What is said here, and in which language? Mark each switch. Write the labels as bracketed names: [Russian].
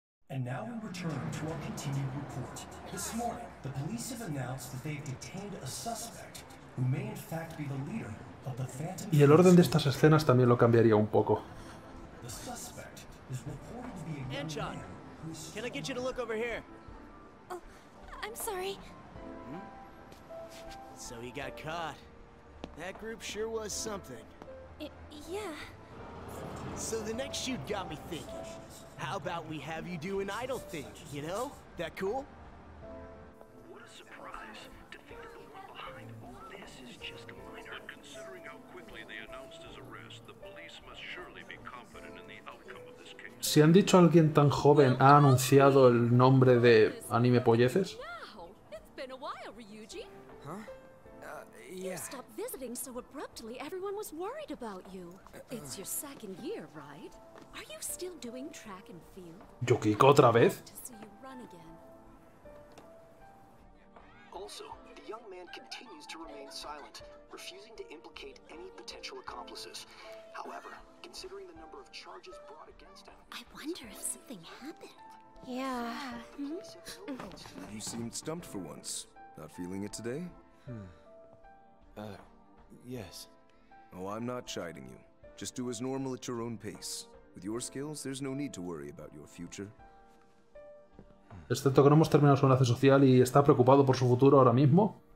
[English] And now we return to our continued report. This morning, the police have announced that they've detained a suspect who may in fact be the leader of the Phantom. [Spanish] Y el orden de estas escenas también lo cambiaría un poco. [English] The suspect is reported to be a young man who is... Can I get you to look over here? Oh, I'm sorry. Hmm? So he got caught. That group sure was something. Yeah. So the next shoot got me thinking. How about we have you do an idol thing, you know? That cool? What a surprise. To think that the one behind all this is just a minor. But considering how quickly they announced his arrest, the police must surely be confident in the outcome of this case. [Spanish] Si han dicho a alguien tan joven ha anunciado el nombre de Anime Polleces. [English] No, it's been a while, Ryuji. Yeah. You stopped visiting so abruptly, everyone was worried about you. It's your second year, right? Are you still doing track and field? [Spanish] ¿Yukiko otra vez? [English] Also, the young man continues to remain silent, refusing to implicate any potential accomplices. However, considering the number of charges brought against him... I wonder if something happened. Yeah. You seemed stumped for once. Not feeling it today? Yes. Oh, I'm not chiding you. Just do as normal at your own pace. With your skills, there's no need to worry about your future. [Spanish] Excepto que no hemos terminado su enlace social y está preocupado por su futuro ahora mismo.